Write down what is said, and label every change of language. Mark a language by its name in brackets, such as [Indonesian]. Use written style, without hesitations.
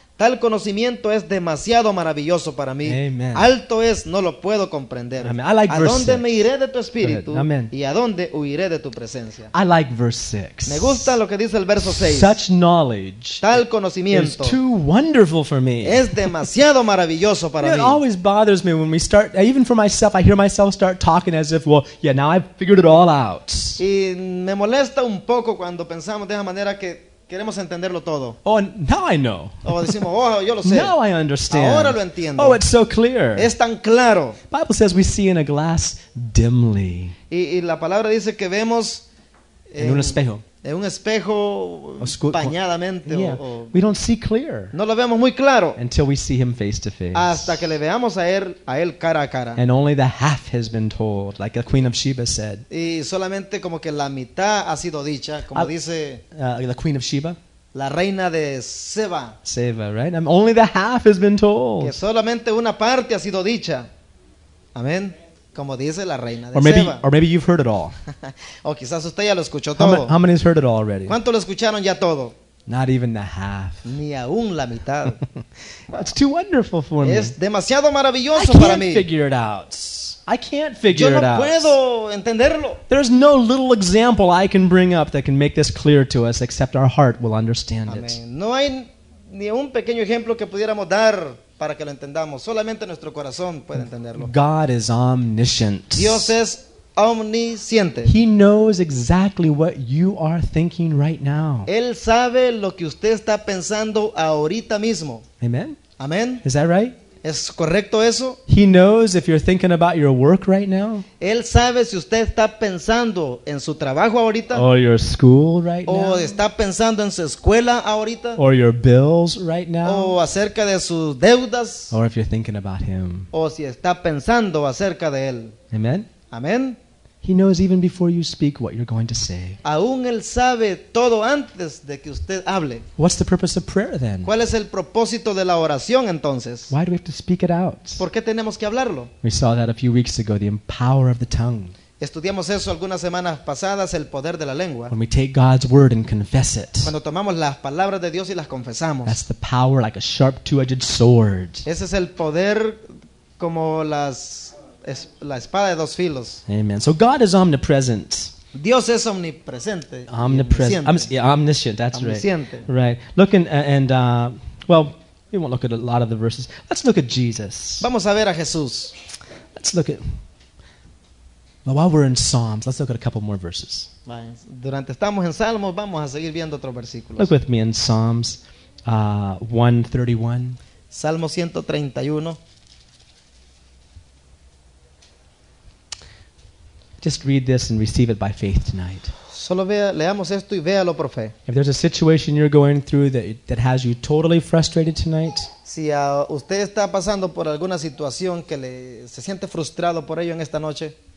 [Spanish] Tal conocimiento es demasiado maravilloso para mí. Amen. Alto es, no lo puedo comprender. [English] Amen. I like verse [Spanish] ¿A dónde [English] six. [Spanish] Me iré de tu espíritu? Amen. ¿Y a dónde huiré de tu presencia? [English] I like verse 6. [Spanish] Me gusta lo que dice el verso 6. [English] Such knowledge. [Spanish] Tal conocimiento. [English] Is too wonderful for me. [Spanish] Es demasiado maravilloso para [English] mí. It always bothers me when we start, even for myself, I hear myself start talking as if, well, yeah, now I've figured it all out. [Spanish] Y me molesta un poco cuando pensamos de esa manera que queremos entenderlo todo. [English] Oh, now I know. [Spanish] O decimos, oh, yo lo sé. [English] Now I understand. [Spanish] Ahora lo entiendo. [English] Oh, it's so clear. [Spanish] Es tan claro. [English] Bible says we see in a glass dimly. [Spanish] Y la palabra dice que vemos en un espejo. En un espejo bañadamente. [English] Yeah. [Spanish] O, [English] we don't see clear. [Spanish] No lo vemos muy claro. [English] Until we see him face to face. [Spanish] Hasta que le veamos a él cara a cara. [English] And only the half has been told, like the Queen of Sheba said. [Spanish] Y solamente como que la mitad ha sido dicha, como dice [English] the Queen of Sheba. [Spanish] La reina de Seba. [English] Seba, right? Only the half has been told. [Spanish] Que solamente una parte ha sido dicha. Amén. Como dice la reina de Seba. [English] Or maybe you've heard it all. [Spanish] O quizás usted ya lo escuchó todo. [English] How many has heard it all already? [Spanish] ¿Cuánto lo escucharon ya todo? [English] Not even the half. [Spanish] Ni aún la mitad. [English] That's too wonderful for me. [Spanish] Es demasiado maravilloso para mí. [English] I can't figure it out. I can't figure it out. [Spanish] Yo no puedo entenderlo. [English] There's no little example I can bring up that can make this clear to us, except our heart will understand it. [Spanish] No hay ni un pequeño ejemplo que pudiéramos dar para que lo entendamos. Solamente nuestro corazón puede entenderlo. [English] God is omniscient. [Spanish] Dios es omnisciente. [English] He knows exactly what you are thinking right now. [Spanish] Él sabe lo que usted está pensando ahorita mismo. Amen. Amen. [English] Is that right? [Spanish] ¿Es correcto eso? [English] He knows if you're thinking about your work right now. [Spanish] Él sabe si usted está pensando en su trabajo ahorita. [English] Or your school right [Spanish] now. O está pensando en su escuela ahorita. [English] Or your bills right now. [Spanish] O acerca de sus deudas. [English] Or if you're thinking about him. [Spanish] O si está pensando acerca de él. Amen. Amen. [English] He knows even before you speak what you're going to say. [Spanish] Aún él sabe todo antes de que usted hable. [English] What's the purpose of prayer then? [Spanish] ¿Cuál es el propósito de la oración entonces? [English] Why do we have to speak it out? [Spanish] ¿Por qué tenemos que hablarlo? [English] We saw that a few weeks ago, the power of the tongue. [Spanish] Estudiamos eso algunas semanas pasadas, el poder de la lengua. [English] When we take God's word and confess it. [Spanish] Cuando tomamos las palabras de Dios y las confesamos. [English] That's the power like a sharp two-edged sword. [Spanish] Ese es el poder como las la espada de dos filos. [English] Amen. So God is omnipresent. [Spanish] Dios es omnipresente. [English] Omniscient. That's [Spanish] omnisciente. [English] Right. Look in, well, we won't look at a lot of the verses. Let's look at Jesus. Vamos a ver a Jesús. Let's look at. Well, while we're in Psalms, let's look at a couple more verses. [Spanish] Durante estamos en Salmos, vamos a seguir viendo otros versículos. [English] Look with me in Psalms 131. [Spanish] Salmo 131. [English] Just read this and receive it by faith tonight. [Spanish] Solo vea, leamos esto y véalo por fe. [English] If there's a situation you're going through that has you totally frustrated tonight, [Spanish] si usted está pasando por alguna situación que se siente frustrado por ello en esta noche,